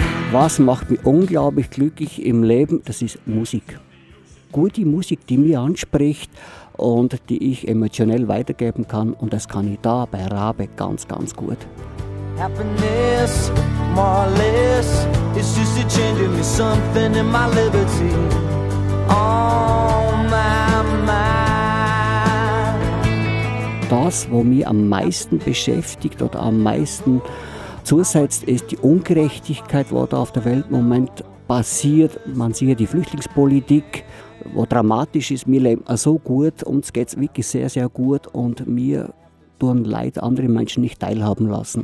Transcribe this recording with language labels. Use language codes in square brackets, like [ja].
[de] Was macht mich unglaublich glücklich im Leben? Das ist Musik. Gute Musik, die mich anspricht und die ich emotionell weitergeben kann. Und das kann ich da bei Rabe ganz, ganz gut. [en] Happiness, more or less, it's just a change in me, something in my liberty, on my mind. [de] Das, was mich am meisten beschäftigt oder am meisten zusätzlich ist die Ungerechtigkeit, die da auf der Welt im Moment passiert. Man sieht ja die Flüchtlingspolitik, die dramatisch ist. Wir leben so gut, uns geht es wirklich sehr, sehr gut. Und wir tun leider andere Menschen nicht teilhaben lassen.